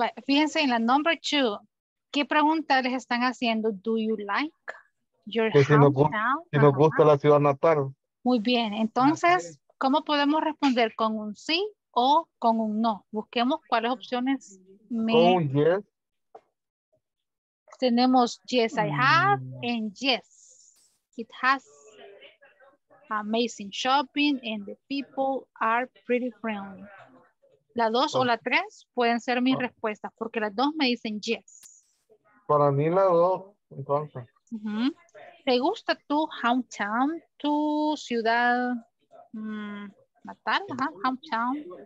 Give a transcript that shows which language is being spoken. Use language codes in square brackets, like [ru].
[es] Fíjense en la [en] number two. [es] ¿Qué pregunta les están haciendo? [en] Do you like your [es] pues [en] house now? [es] Si nos gusta la ciudad natal. Muy bien. Entonces, ¿cómo podemos responder con un sí o con un no? Busquemos cuáles opciones. Con un yes. Tenemos [en] yes, I have, and yes, it has amazing shopping, and the people are pretty friendly. [es] La dos o la tres pueden ser mis respuestas, porque las dos me dicen yes. Para mí la dos, entonces. Uh-huh. ¿Te gusta tu hometown, tu ciudad natal, hometown?